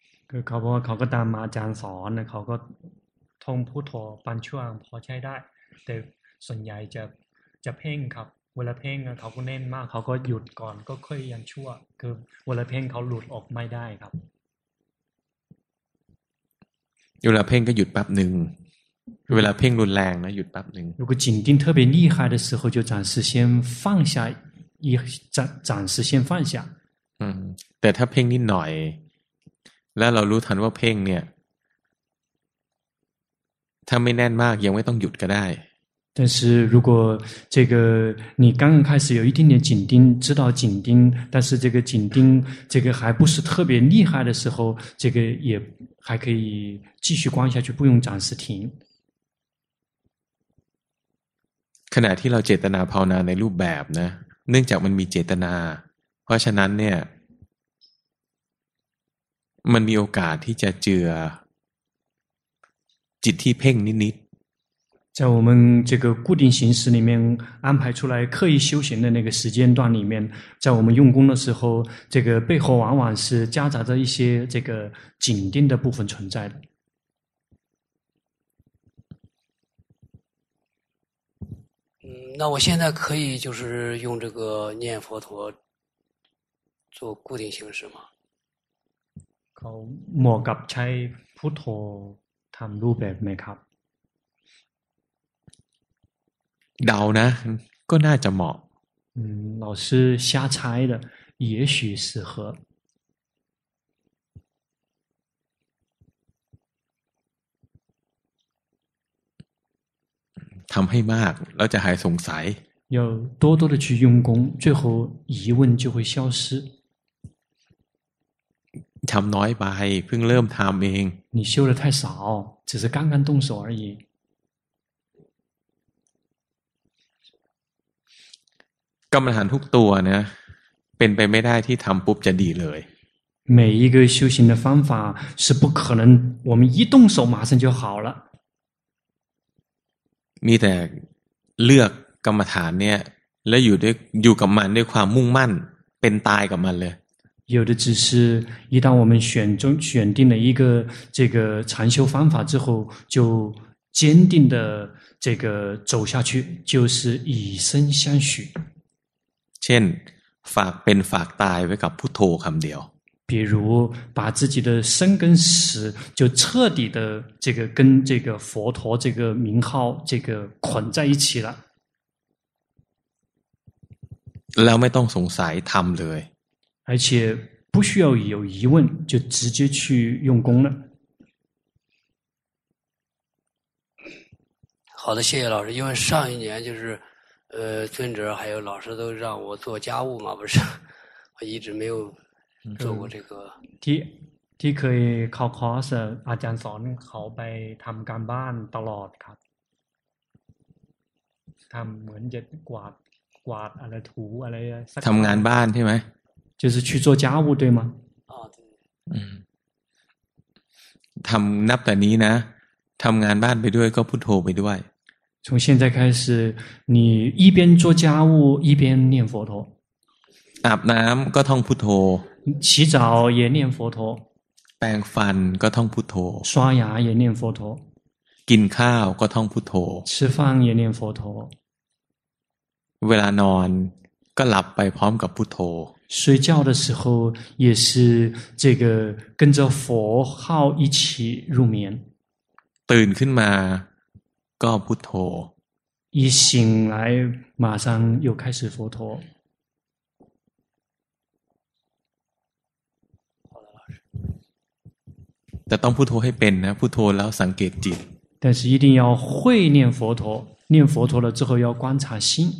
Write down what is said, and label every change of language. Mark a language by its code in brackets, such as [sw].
[th] คือเขาบอกว่าเขาก็ตามมาอาจารย์สอนนะเขาก็ท่องพุทโธปัญชวังพอใช้ได้แต่ส่วนใหญ่จะเพ่งครับเวลาเพ่งเขาก็เน้นมากเขาก็หยุดก่อนก็ค่อยยังชั่วคือเวลาเพ่งเขาหลุดออกไม่ได้ครับ เวลาเพ่งก็หยุดแป๊บนึงเวลาเพ่งรุนแรงนะหยุดแป๊บนึง [zh] 如果紧盯特别厉害的时候就暂时先放下一暂时先放下 [th] แต่ถ้าเพ่งนิดหน่อยแล้วเรารู้ทันว่าเพ่งเนี่ยถ้าไม่แน่นมากยังไม่ต้องหยุดก็ได้ [zh] 但是如果这个你刚刚开始有一点点紧盯知道紧盯但是这个紧盯这个还不是特别厉害的时候这个也还可以继续观下去不用暂时停 [th] ขณะที่เราเจตนาภาวนาในรูปแบบนะเนื่องจากมันมีเจตนาเพราะฉะนั้นเนี่ยมันมีโอกาสที่จะเจือจิตที่เพ่งนิด [zh] ๆ在我们这个固定形式里面安排出来刻意修行的那个时间段里面在我们用功的时候这个背后往往是夹杂着一些这个紧盯的部分存在的那我现在可以就是用这个念佛陀做固定形式吗？ [th] เขาเหมาะกับใช้พุทโธทำรูปแบบไหมครับ เดานะก็น่าจะเหมาะ [zh] 老师瞎猜的也许适合 [th] ทำให้มากแล้วจะหายสงสัย [zh] 要多多的去用功最后疑问就会消失 [th] ทำน้อยไปเพิ่งเริ่มทำเอง [zh] 你修的太少只是刚刚动手而已 [th] กรรมฐานทุกตัวเนี่ยเป็นไปไม่ได้ที่ทำปุ๊บจะดีเลย [zh] 每一个修行的方法是不可能我们一动手马上就好了 [th] มีแต่เลือกกรรมฐานเนี่ยแล้วอยู่ด้วยอยู่กับมันด้วยความมุ่งมั่นเป็นตายกับมันเลย [zh] 有的只是一旦我们选定了一个这个禅修方法之后就坚定的这个走下去就是以身相许 [th] เช่นฝากเป็นฝากตายไว้กับพุทโธคำเดียว [zh] 比如把自己的生跟死就彻底的这个跟这个佛陀这个名号这个捆在一起了 [th] แล้วไม่ต้องสงสัยทำเลย [zh] 而且不需要有疑问就直接去用功了好的谢谢老师因为上一年就是尊者还有老师都让我做家务嘛不是我一直没有做过这个 [th] ที่เคยเข้าคอร์สอาจารย์สอนเขาไปทำการบ้านตลอดครับทำเหมือนจะกวาดอะไรถูอะไรสัก ทำงานบ้านใช่ไหม [zh] 就是去做家务对吗啊对 [th] ทำนับแต่นี้นะทำงานบ้านไปด้วยก็พุทโธไปด้วย [zh] 从现在开始你一边做家务一边念佛陀 [th] อาบน้ำก็ท่องพุทโธ [zh] 洗澡也念佛陀 [th] แปรงฟันก็ท่องพุทโธ [zh] 刷牙也念佛陀 [th] กินข้าวก็ท่องพุทโธ [zh] 吃饭也念佛陀 [th] เวลานอนก็หลับไปพร้อมกับพุทโธ [zh] 睡觉的时候也是这个跟着佛号一起入眠 [th] ตื่นขึ้นมาก็พุทโธ [zh] 一醒来马上又开始佛陀 [th] แต่ต้องพุทโธให้เป็นนะพุทโธแล้วสังเกตจิต [zh] 但是一定要会念佛陀念佛陀了之后要观察心